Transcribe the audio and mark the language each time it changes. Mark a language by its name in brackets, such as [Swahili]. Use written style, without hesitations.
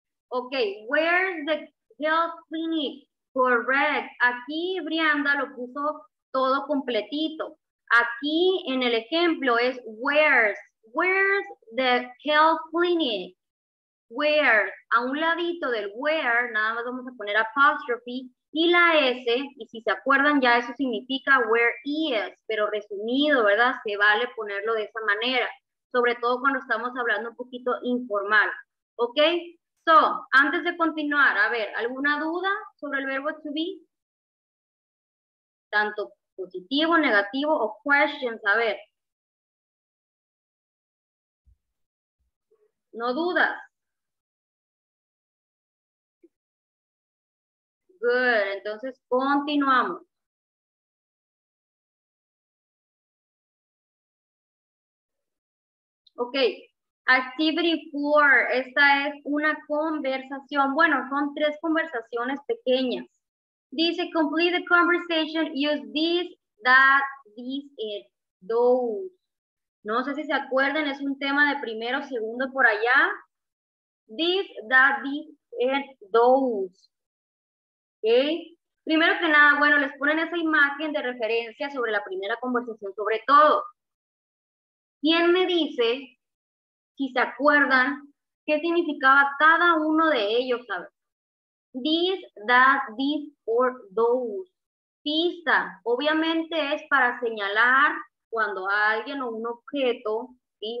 [English] Ok, where's the health clinic? Correct. [Spanish] Aquí Brianda lo puso todo completito. Aquí en el ejemplo es where's. [English] Where's the health clinic? Where. [Spanish] A un ladito del where, nada más vamos a poner apostrophe. Y la S, y si se acuerdan, ya eso significa [English] where is, [Spanish] pero resumido, ¿verdad? Se vale ponerlo de esa manera, sobre todo cuando estamos hablando un poquito informal, ¿ok? So, antes de continuar, a ver, ¿alguna duda sobre el verbo to be? Tanto positivo, negativo o questions, a ver. No dudas. [English] Good, [Spanish] entonces continuamos. [English] Ok, activity four, [Spanish] esta es una conversación. Bueno, son tres conversaciones pequeñas. Dice, [English] complete the conversation, use this, that, this, and those. [Spanish] No sé si se acuerdan, es un tema de primero, segundo, por allá. [English] This, that, this, and those. Okay. [Spanish] Primero que nada, bueno, les ponen esa imagen de referencia sobre la primera conversación, sobre todo. ¿Quién me dice, si se acuerdan, qué significaba cada uno de ellos? ¿Sabes? [English] This, that, this, or those. [Spanish] Pista, obviamente es para señalar cuando alguien o un objeto, ¿sí?